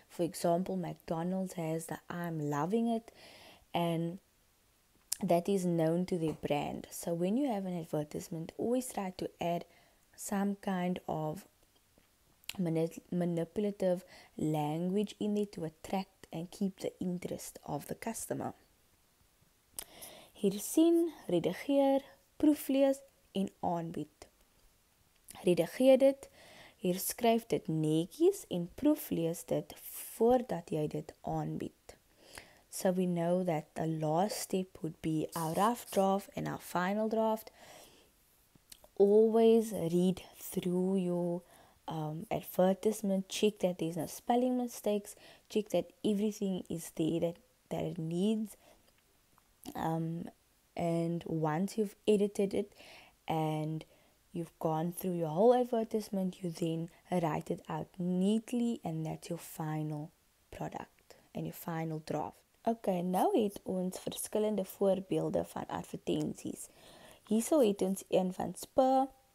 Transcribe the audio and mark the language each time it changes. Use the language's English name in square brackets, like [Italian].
[English] For example, McDonald's has the I'm loving it, and that is known to their brand. So when you have an advertisement, always try to add some kind of manipulative language in there to attract and keep the interest of the customer. [Afrikaans] Hersien, redigeer, proeflees en aanbied. Redigeer dit, herskryf dit netjies en proeflees dit voordat jy dit aanbied. [English] So we know that the last step would be our rough draft and our final draft. Always read through your advertisement. Check that there's no spelling mistakes. Check that everything is there that it needs. And once you've edited it and you've gone through your whole advertisement, you then write it out neatly and that's your final product and your final draft. [Afrikaans] Oké, okay, nou het ons verskillende voorbeelde van advertensies. Hierso het ons een van Spur.